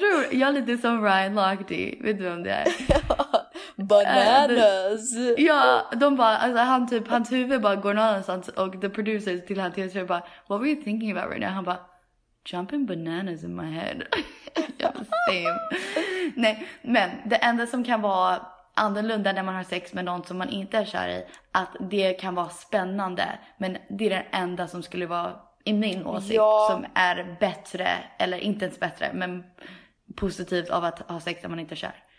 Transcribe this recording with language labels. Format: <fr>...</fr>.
<sv>Jag lite som Ryan Lochte, vet du vem det är?</sv> <en>Bananas!</en> <sv>De bara, alltså, hans huvud bara går någon annanstans och the producers till han till sig bara,</sv> <en>what were you thinking about right now?</en> <sv>Han bara,</sv> <en>jumping bananas in my head. Same.</en> <sv>Nej, men det enda som kan vara annorlunda när man har sex med någon som man inte är kär i, att det kan vara spännande, men det är den enda som skulle vara i min åsikt som är bättre, eller inte ens bättre, men positivt av att ha sex när man inte är kär.</sv>